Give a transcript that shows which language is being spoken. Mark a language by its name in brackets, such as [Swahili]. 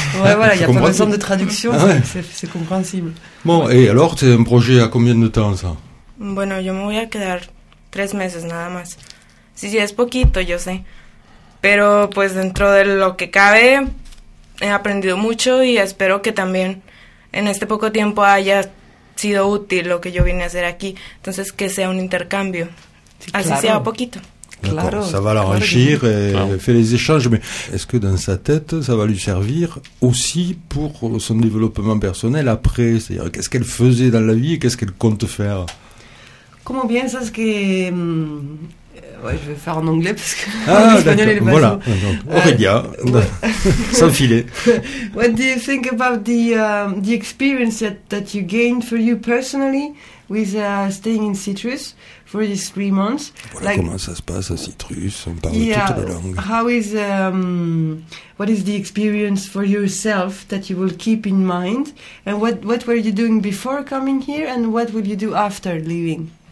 [French] Ouais, voilà, il n'y a pas besoin de traduction, ah ouais. c'est compréhensible. Bon, ouais. Et alors, c'est un projet à combien de temps, ça ? [Spanish] Bueno, yo me voy a quedar 3 meses, nada más. Sí, sí, es poquito, yo sé. Pero, pues, dentro de lo que cabe, he aprendido mucho y espero que también en este poco tiempo haya sido útil lo que yo vine a hacer aquí, entonces que sea un intercambio, sí, así claro. Sea poquito. [French] Claro, ça va l'enrichir claro. Et claro. Fait les échanges, mais est-ce que dans sa tête, ça va lui servir aussi pour son développement personnel après, c'est-à-dire qu'est-ce qu'elle faisait dans la vie et qu'est-ce qu'elle compte faire? [Spanish] ¿Cómo piensas que... [French] Ouais, je vais faire en anglais parce que l'espagnol est le voilà. Aurélia, sans filet. [English] What do you think about the experience that you gained for you personally with staying in Citrus for these 3 months? [French] Voilà, like, comment ça se passe à Citrus, on parle toutes les langues. [English] How is what is the experience for yourself that you will keep in mind? And what were you doing before coming here and what will you do after leaving?